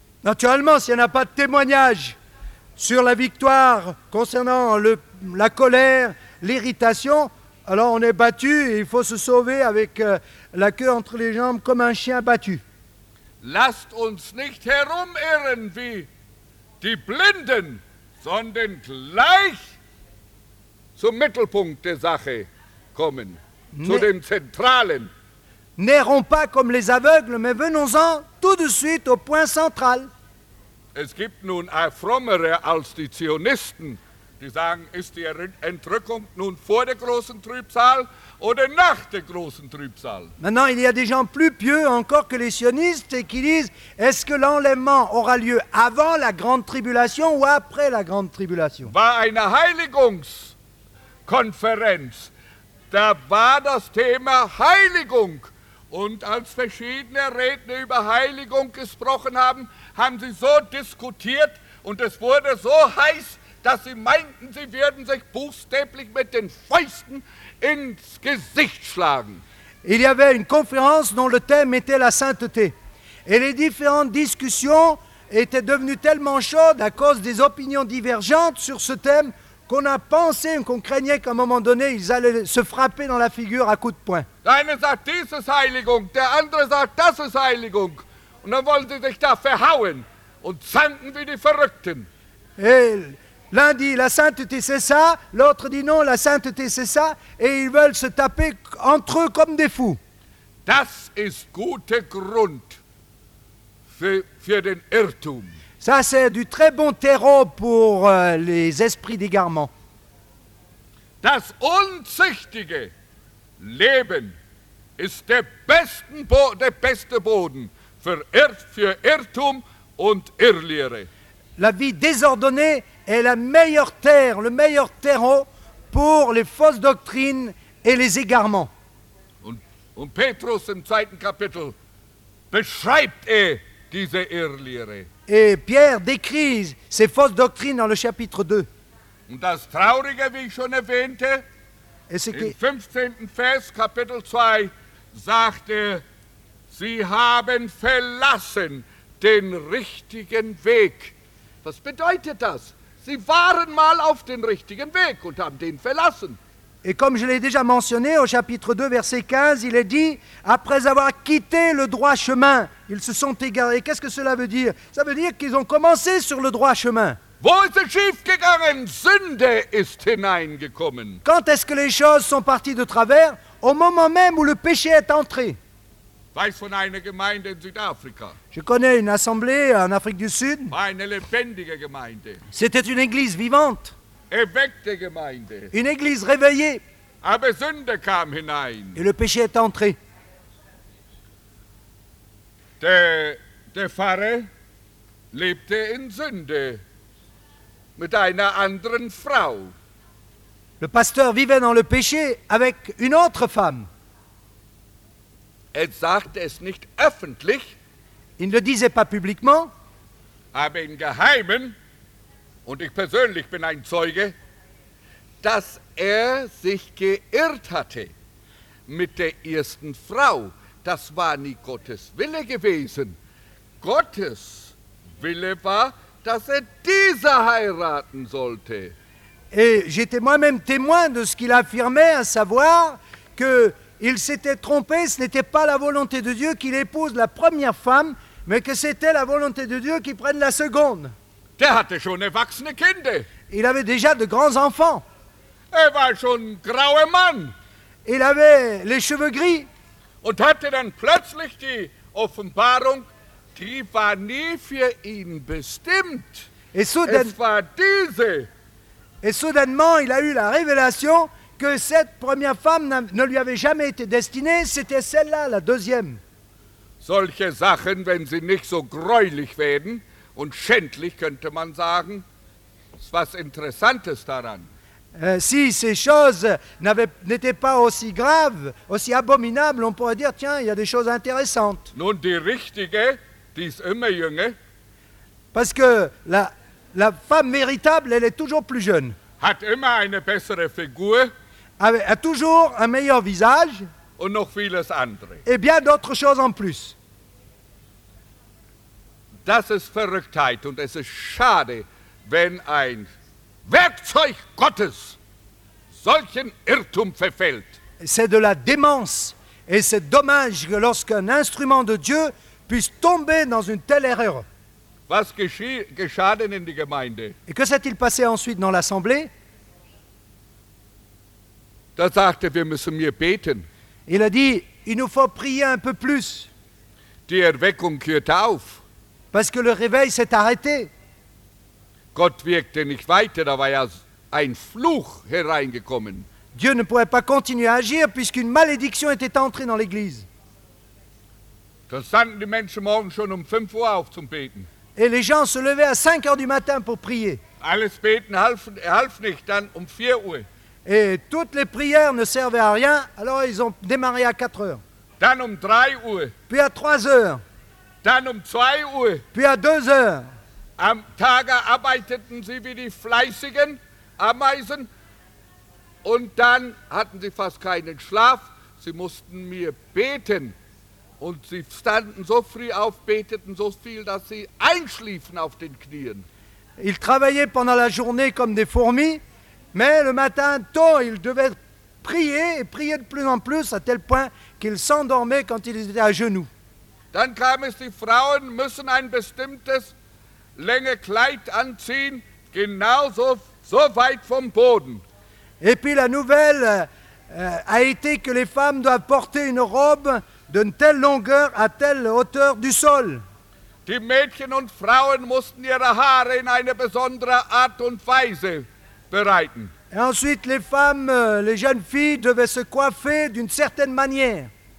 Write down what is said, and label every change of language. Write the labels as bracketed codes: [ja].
[fr] Naturellement, s'il n'y a pas de témoignage sur la victoire concernant la colère, l'irritation, alors on est battu et il faut se sauver avec la queue entre les jambes comme un chien battu. [de] Lasst uns nicht herumirren wie die Blinden, sondern gleich zum Mittelpunkt der Sache kommen, zu dem Zentralen. [fr] N'errons pas comme les aveugles, mais venons-en tout de suite au point central. [de] Es gibt nun Frommere als die Zionisten, die sagen, ist die Entrückung nun vor der großen Trübsal oder nach der großen Trübsal? [fr] Maintenant, il y a des gens plus pieux encore que les sionistes et qui disent, est-ce que l'enlèvement aura lieu avant la grande tribulation ou après la grande tribulation? [de] War eine Heiligungskonferenz. Da war das Thema Heiligung. Und als verschiedene Redner über Heiligung gesprochen haben, haben sie so diskutiert und es wurde so heiß, dass sie meinten, sie würden sich buchstäblich mit den Fäusten ins Gesicht schlagen. [fr] Il y avait une conférence dont le thème était la sainteté. Et les différentes discussions étaient devenues tellement chaudes à cause des opinions divergentes sur ce thème qu'on a pensé, qu'on craignait qu'à un moment donné, ils allaient se frapper dans la figure à coups de poing. L'un [de] sagt, dies ist Heiligung, der andere sagt, das ist Heiligung. Und dann wollen sie sich da verhauen und zanken wie die Verrückten. [fr] Et l'un dit, la sainteté, c'est ça. L'autre dit, non, la sainteté, c'est ça. Et ils veulent se taper entre eux comme des fous. [de] Das ist guter Grund für den Irrtum. [fr] Ça, c'est du très bon terreau pour les esprits d'égarement. [de] Das Unzüchtige Leben ist der beste Boden für Irrtum und Irrlehre. [fr] La vie désordonnée est la meilleure terre, le meilleur terreau pour les fausses doctrines et les égarements. [de] Und Petrus im zweiten Kapitel beschreibt diese Irrlehre. [fr] Et Pierre décrit ces fausses doctrines dans le chapitre 2. [de] Und das Traurige, wie ich schon erwähnte, im 15. Vers, Kapitel 2, sagt sie haben verlassen den richtigen Weg. Was bedeutet das? Sie waren mal auf den richtigen Weg und haben den verlassen. [fr] Et comme je l'ai déjà mentionné au chapitre 2, verset 15, il est dit, après avoir quitté le droit chemin, ils se sont égarés. Qu'est-ce que cela veut dire? Ça veut dire qu'ils ont commencé sur le droit chemin. [de] Wo ist es schiefgegangen? Sünde ist hineingekommen. [fr] Quand est-ce que les choses sont parties de travers? Au moment même où le péché est entré. [de] Weiß von einer Gemeinde in Südafrika. [fr] Je connais une assemblée en Afrique du Sud. [de] War eine lebendige Gemeinde. [fr] C'était une église vivante. [de] Erweckte Gemeinde. [fr] Une église réveillée. [de] Aber Sünde kam hinein. [fr] Et le péché est entré. [de] Der Pfarrer lebte in Sünde. Mit einer anderen Frau. [fr] Le pasteur vivait dans le péché avec une autre femme. [de] Er sagte es nicht öffentlich. [fr] Il ne le disait pas publiquement. [de] Aber im Geheimen, und ich persönlich bin ein Zeuge, dass sich geirrt hatte mit der ersten Frau. Das war nie Gottes Wille gewesen. Gottes Wille war, dass diese heiraten sollte. [fr] Et j'étais moi-même témoin de ce qu'il affirmait, à savoir qu'il s'était trompé, ce n'était pas la volonté de Dieu qu'il épouse la première femme, mais que c'était la volonté de Dieu qu'il prenne la seconde. [de] Der hatte schon erwachsene Kinder. [fr] Il avait déjà de grands enfants. [de] Er war schon ein grauer Mann. [fr] Il avait les cheveux gris. [de] Und hatte dann plötzlich die Offenbarung, die war nie für ihn bestimmt. [fr] Et soudainement, il a eu la révélation que cette première femme ne lui avait jamais été destinée, c'était celle-là, la deuxième. [de] Solche Sachen, wenn sie nicht so gräulich werden und schändlich, könnte man sagen, ist was Interessantes daran. [fr] Si ces choses n'étaient pas aussi graves, aussi abominables, on pourrait dire, tiens, il y a des choses intéressantes. [de] Nun, die richtige, die ist immer jünger. [fr] Parce que la femme véritable, elle est toujours plus jeune. [de] Hat immer eine bessere Figur. [fr] A toujours un meilleur visage. [de] Und noch vieles andere. [fr] Et bien d'autres choses en plus. [de] Das ist Verrücktheit und es ist schade, wenn ein Werkzeug Gottes solchen Irrtum verfällt. [fr] C'est de la démence et c'est dommage lorsqu'un instrument de Dieu puisse tomber dans une telle erreur. [de] Was geschah denn in die Gemeinde? [fr] Et que s'est-il passé ensuite dans l'Assemblée? [de] Da sagte, wir müssen mehr beten. [fr] Il a dit, il nous faut prier un peu plus. [de] Die Erweckung hörte auf. [fr] Parce que le réveil s'est arrêté. [de] Gott wirkte nicht weiter, da war ja ein Fluch hereingekommen. [fr] Dieu ne pouvait pas continuer à agir puisqu'une malédiction était entrée dans l'Église. [de] Da standen die Menschen morgen schon 5 Uhr auf zum Beten. [fr] Et les gens se levaient à 5 heures du matin pour prier. [de] Alles beten half nicht, dann 4 Uhr. [fr] Et toutes les prières ne servaient à rien, alors ils ont démarré à 4 heures. [de] Dann 3 Uhr. [fr] Puis à 3 heures. [de] Dann 2 Uhr. [fr] Puis à 2 heures. [de] Am Tage arbeiteten sie wie die fleißigen Ameisen. Und dann hatten sie fast keinen Schlaf. Sie mussten mir beten. Und sie standen so früh auf, beteten so viel, dass sie einschliefen auf den Knien. [fr] Ils travaillaient pendant la journée comme des fourmis, mais le matin tôt, ils devaient prier et prier de plus en plus, à tel point qu'ils s'endormaient quand ils étaient à genoux. [de] Dann kam es, die Frauen müssen ein bestimmtes Länge Kleid anziehen, genauso so weit vom Boden. [fr] Et puis la nouvelle a été que les femmes doivent porter une robe d'une telle longueur à telle hauteur du sol. [de] Die Mädchen und Frauen mussten ihre Haare in eine besondere Art und Weise bereiten. [fr] Et ensuite, les femmes, les jeunes filles devaient se coiffer d'une certaine manière.